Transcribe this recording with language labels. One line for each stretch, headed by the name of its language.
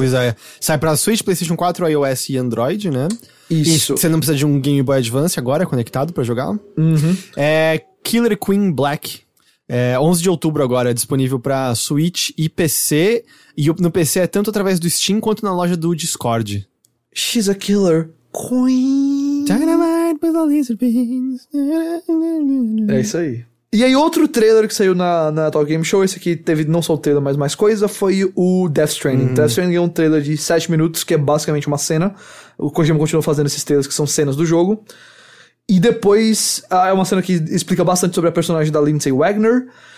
Portuguese: Pois é, sai pra Switch, PlayStation 4, iOS e Android, né? Isso. Você não precisa de um Game Boy Advance agora, conectado pra jogar. Uhum. É Killer Queen Black. 11 de outubro agora, é disponível pra Switch e PC. E no PC é tanto através do Steam quanto na loja do Discord.
English: She's a killer queen. Dynamite with all these beans.
Portuguese: É isso aí. E aí outro trailer que saiu na Tokyo Game Show, esse aqui teve não só o trailer, mas mais coisa, foi o Death Stranding. Death Stranding é um trailer de 7 minutos, que é basicamente uma cena. O Kojima continua fazendo esses trailers que são cenas do jogo. E depois, é uma cena que explica bastante sobre a personagem da Lindsay Wagner.